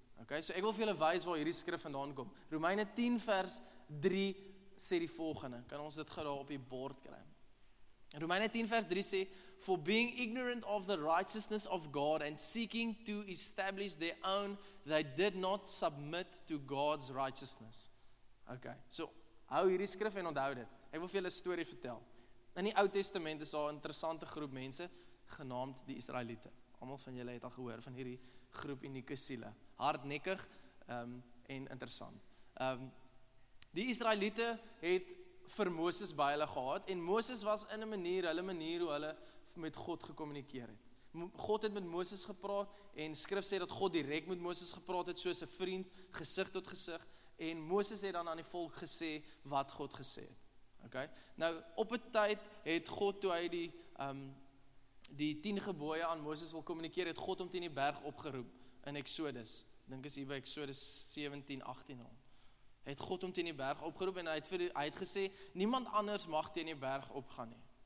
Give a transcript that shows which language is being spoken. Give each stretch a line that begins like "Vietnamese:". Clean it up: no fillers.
Afrikaans: Okay, so ek wil vir julle wys waar hierdie skrif vandaan kom. Romeine 10 vers 3 sê die volgende. Kan ons dit gou op die bord kry? Romeine 10 vers 3 sê,
English: for being ignorant of the righteousness of God and seeking to establish their own, they did not submit to God's righteousness.
Afrikaans: Okay, so hou hierdie skrif en onthou dit. Ek wil vir julle 'n storie vertel. In die Ou Testament is daar 'n interessante groep mense genaamd die Israeliete. Almal van julle het al gehoor van hierdie groep unieke siele. Hardnekkig en interessant. Die Israeliete het vir Moses by hulle gehad en Moses was in 'n manier, hulle manier hoe hulle met God gekommunikeer het. God het met Moses gepraat en skrif sê dat God direct met Moses gepraat het soos 'n vriend, gesig tot gesig, En Moses het dan aan die volk gesê wat God gesê het. Okay? Nou, op het tyd het God, toe hy die, die 10 gebooie aan Moses wil communiceren, het God om teen die berg opgeroep in Exodus. Denk is hier by Exodus 17, 18 al. Het God om teen die berg opgeroep en hy het gesê, niemand anders mag teen die berg opgaan nie.